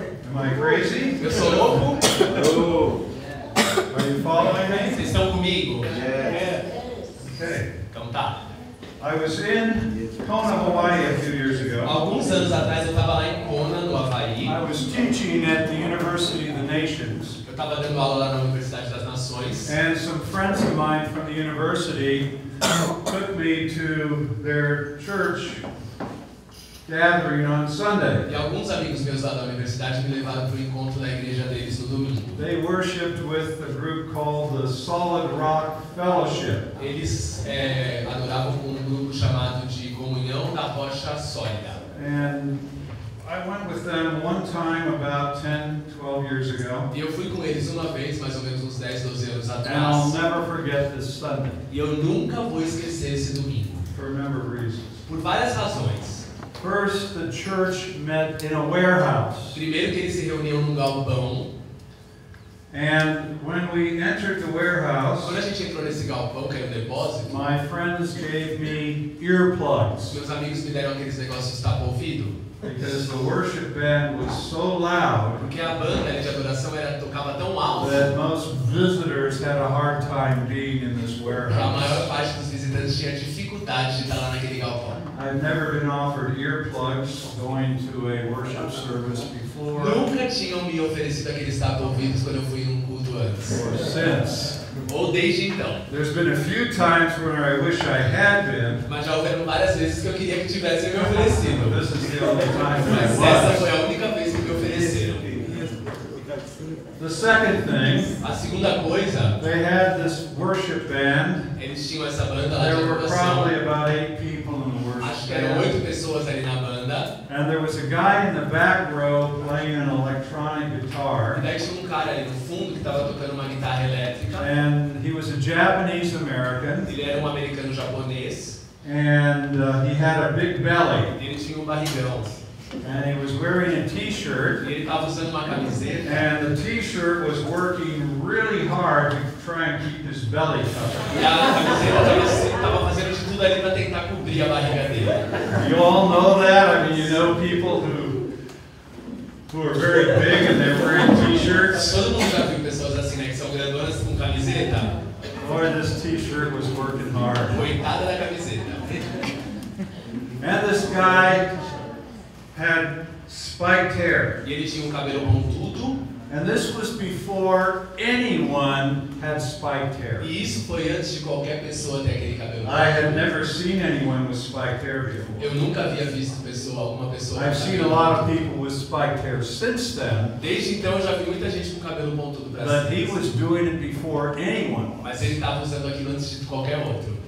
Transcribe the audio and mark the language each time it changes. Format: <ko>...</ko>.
<en>Am I crazy?</en> <pt>Eu sou louco?</pt> <en>Oh. Are you following me?</en> <pt>Vocês estão comigo?</pt> <en>Yes. Yes. Okay.</en> <pt>Então tá.</pt> <en>I was in Kona, Hawaii a few years ago.</en> <pt>Alguns anos atrás eu estava lá em Kona, no Havaí.</pt> <en>I was teaching at the University of the Nations.</en> <pt>Eu estava dando aula lá na Universidade das Nações.</pt> <en>And some friends of mine from the university took me to their church gathering on Sunday.</en> <pt>E alguns amigos meus lá da universidade me levaram para o encontro da igreja deles no domingo.</pt> <en>They worshipped with a group called the Solid Rock Fellowship.</en> <pt>Eles adoravam com um grupo chamado de Comunhão da Rocha Sólida.</pt> <en>And I went with them one time about 10-12 years ago.</en> <pt>E eu fui com eles uma vez, mais ou menos uns 10-12 anos atrás.</pt> <en>And I'll never forget this Sunday.</en> <pt>E eu nunca vou esquecer esse domingo.</pt> <en>For a number of reasons.</en> <pt>Por várias razões.</pt> <en>First, the church met in a warehouse.</en> <pt>Primeiro que eles se reuniam num galpão.</pt> <en>And when we entered the warehouse,</en> <pt>quando a gente entrou nesse galpão, que era um depósito,</pt> <en>my friends gave me earplugs.</en> <pt>Meus amigos me deram aqueles negócios de tapa ouvido.</pt> <en>Because the worship band was so loud.</en> <pt>Porque a banda de adoração era, tocava tão alto.</pt> <en>That most visitors had a hard time being in this warehouse.</en> <pt>A maior parte dos visitantes tinha dificuldade de estar lá naquele galpão.</pt> <en>I've never been offered earplugs going to a worship service before.</en> <pt>Nunca tinham me oferecido aqueles tapa-ouvidos quando eu fui em um culto antes.</pt> <en>Or since.</en> <pt>Ou desde então.</pt> <en>There's been a few times when I wish I had been.</en> <pt>Mas já houveram várias vezes que eu queria que tivessem me oferecido.</pt> <en>This is the only time.</en> <pt>Mas essa foi a única vez que me ofereceram.</pt> <en>The second thing,</en> <pt>a segunda coisa,</pt> <en>they had this worship band.</en> <pt>Eles tinham essa banda lá.</pt> <en>There</en> <pt>de</pt> <en>were probably about eight people in the worship band.</en> <pt>Acho que eram 8 pessoas ali na banda.</pt> <en>And there was a guy in the back row playing an electronic guitar.</en> <pt>E daí tinha um cara ali no fundo que estava tocando uma guitarra elétrica.</pt> <en>And he was a Japanese American.</en> <pt>Ele era um americano japonês.</pt> <en>And he had a big belly.</en> <pt>E ele tinha um barrigão.</pt> <en>And he was wearing a t-shirt.</en> <pt>E ele estava usando uma camiseta.</pt> <en>And the t-shirt was working really hard to try and keep his belly covered.</en> <pt>E a camiseta estava fazendo de tudo ali para tentar cobrir a barriga dele.</pt> <en>You all know that? I mean, you know people who are very big and they're wearing t-shirts.</en> <pt>Todo mundo já viu pessoas assim, né, que são grandonas com camiseta.</pt> <en>Boy, this t-shirt was working hard.</en> <pt>Coitada da camiseta.</pt> <en>And this guy had spiked hair.</en> <pt>E ele tinha um cabelo pontudo.</pt> <en>And this was before anyone had spiked hair.</en> <pt>E isso foi antes de qualquer pessoa ter aquele cabelo.</pt> <en>I had never seen anyone with spiked hair before.</en> <pt>Eu nunca havia visto uma pessoa.</pt> <en>I've seen a lot of people with spiked hair since then.</en> <pt>Desde então eu já vi muita gente com cabelo pontudo.</pt> <en>But he was doing it before anyone.</en> <pt>Mas ele estava usando aquilo antes de qualquer outro.</pt>